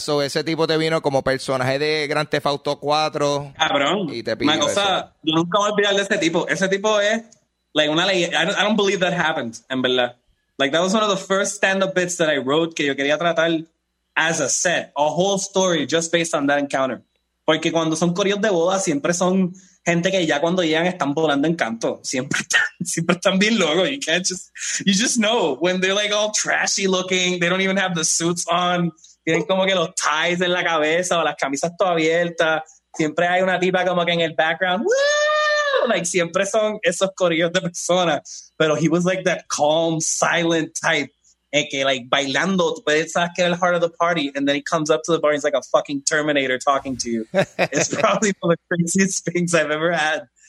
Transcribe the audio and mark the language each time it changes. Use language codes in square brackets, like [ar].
[es] So, ese tipo te vino como personaje de Grand Theft Auto 4. Cabrón. Y te pidió. Una cosa, yo nunca voy a olvidar de ese tipo. Ese tipo es, [en] like, [es] una leyenda. [en] I don't believe that happened, [es] en verdad. [en] Like, that was one of the first stand-up bits that I wrote [es] que yo quería tratar [en] as a set. A whole story just based on that encounter. [es] Porque cuando son corridos de boda, siempre son gente que ya cuando llegan están volando en canto. Siempre están bien locos. [en] You just know when they're like all trashy looking, they don't even have the suits on. [es] Tienen como que los ties en la cabeza o las camisas todas abiertas. Siempre hay una tipa como que en el background. ¡Woo! [en] Like, [es] siempre son esos corridos de personas. Pero [en] he was like that calm, silent type. [es] Que [en] like [es] bailando, [en] but it's not getting the heart of the party, and then he comes up to the bar and he's like a fucking Terminator talking to you. It's probably one of the craziest things I've ever had.